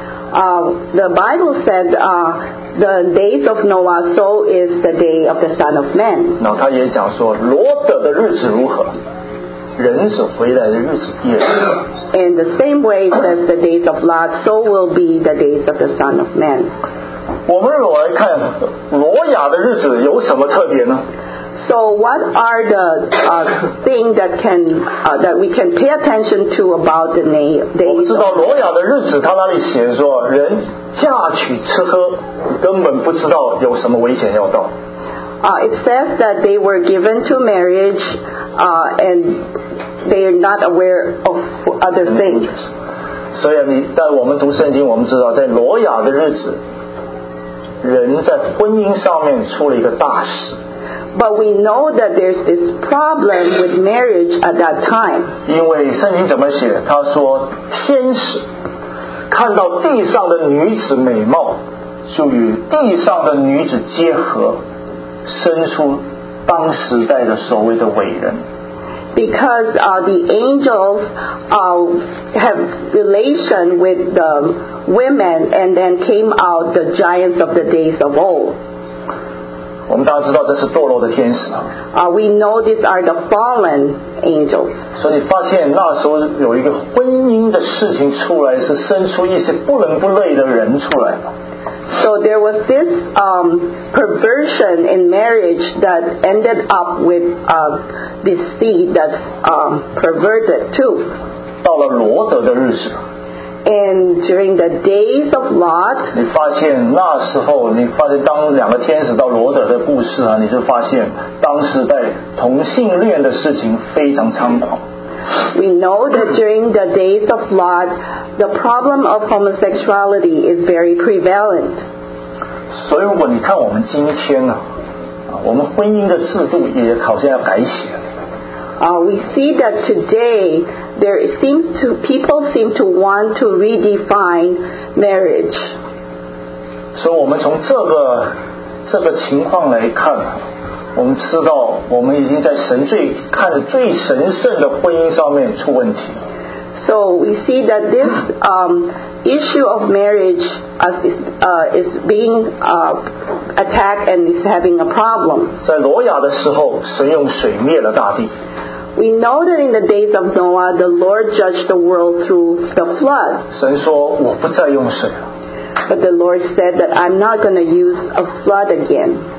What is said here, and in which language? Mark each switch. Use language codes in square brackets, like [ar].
[en] The Bible said the days of Noah, so is the day of the Son of Man. [zh] 那他也讲说罗德的日子如何。人子回来的日子也是。 [en] In the same way as the days of Lot, so will be the days of the Son of Man. [zh] 我们如果来看挪亚的日子有什么特别呢？ [en] So what are the things that can that we can pay attention to about the days? [zh] 我们知道挪亚的日子，他那里写说人嫁娶吃喝，根本不知道有什么危险要到。 [en] It says that they were given to marriage, and they are not aware of other things. [zh] 所以你在我们读圣经，我们知道在挪亚的日子，人在婚姻上面出了一个大事。 [en] But we know that there's this problem with marriage at that time. [zh] 因为圣经怎么写？他说天使看到地上的女子美貌，就与地上的女子结合。生出当时代的所谓的伟人。 [en] Because the angels have relation with the women, and then came out the giants of the days of old. [zh] 我们大家知道这是堕落的天使啊。 [en] We know these are the fallen angels. [zh] 所以发现那时候有一个婚姻的事情出来，是生出一些不伦不类的人出来了。 [en] So there was this perversion in marriage that ended up with this seed that's perverted too. [zh] 到了罗德的日子。 [en] And during the days of Lot, [zh] 你发现那时候，你发现当两个天使到罗德的故事啊，你就发现当时在同性恋的事情非常猖狂。 [en] We know that during the days of Lot, the problem of homosexuality is very prevalent. [zh] 所以如果你看我们今天呢，我们婚姻的制度也好像要改写。 [en] We see that today there seems to people seem to want to redefine marriage. [zh] 所以我们从这个情况来看。我们知道我们已经在神最看最神圣的婚姻上面出问题。 [en] So we see that this issue of marriage is being attacked and is having a problem. [zh] 在挪亚的时候神用水灭了大地。 [en] We know that in the days of Noah the Lord judged the world through the flood. [zh] 神说我不再用水了。 [en] But the Lord said that I'm not going to use a flood again.